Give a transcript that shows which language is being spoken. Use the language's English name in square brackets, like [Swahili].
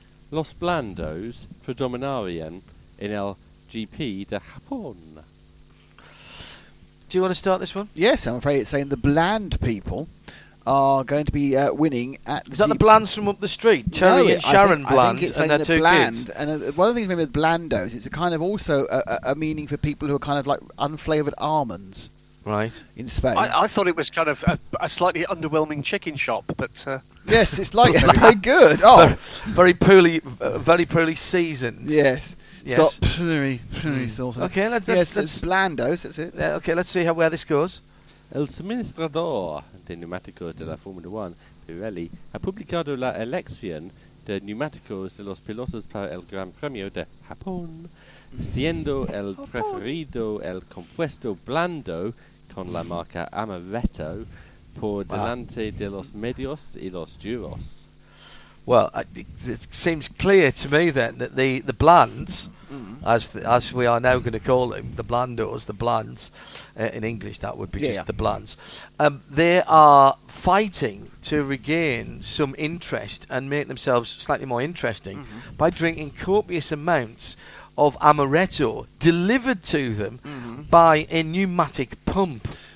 [Spanish] Los Blandos predominarían en el GP de Japón. [English] Do you want to start this one? Yes, I'm afraid it's saying the bland people are going to be winning at... Is that the Blands from up the street? Terry and Sharon Bland and their two bland kids. And one of the things with Blandos, it's a kind of also a meaning for people who are kind of like unflavoured almonds. Right. In Spain. I thought it was kind of a slightly underwhelming chicken shop, but... Yes, it's like very good. Oh. Very poorly seasoned. Yes. It's got poorly sauce. Okay, let's Blandos, that's it. Yeah, okay, let's see where this goes. [Spanish] El suministrador de neumáticos de la Fórmula 1, Pirelli, ha publicado la elección de neumáticos de los pilotos para el Gran Premio de Japón, siendo el preferido el compuesto blando con la marca Amaretto por delante de los medios y los duros. [English] Well, it seems clear to me then that the blands as we are now going to call them, the Blandos, the Blands, in English that would be just the Blands. They are fighting to regain some interest and make themselves slightly more interesting by drinking copious amounts of amaretto delivered to them by a pneumatic pump.